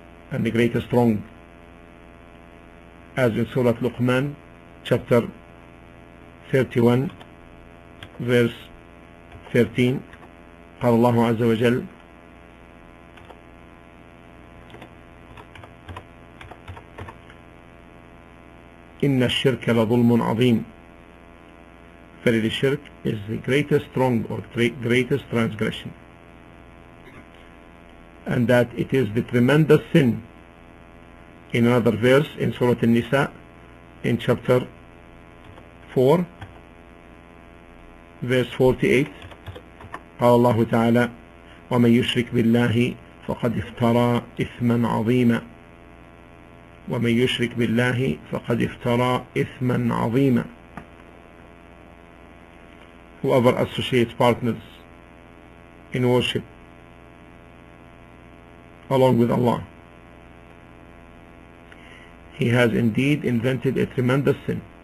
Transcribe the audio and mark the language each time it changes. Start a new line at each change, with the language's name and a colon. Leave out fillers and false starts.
English: and the greatest wrong, as in Surah Luqman, chapter 31, verse 13,
Arabic: قال الله عز وجل إن الشرك لظلم عظيم.
English: Verily shirk is the greatest wrong or greatest transgression, and that it is the tremendous sin. In another verse in Surah An-Nisa, in chapter 4, verse 48,
Arabic: قال الله تعالى وَمَنْ يُشْرِكْ بِاللَّهِ فَقَدْ افْتَرَى إِثْمًا عَظِيمًا وَمَنْ يُشْرِكْ بِاللَّهِ فَقَدْ افْتَرَى إِثْمًا عَظِيمًا.
English: Whoever associates partners in worship along with Allah, he has indeed invented a tremendous sin.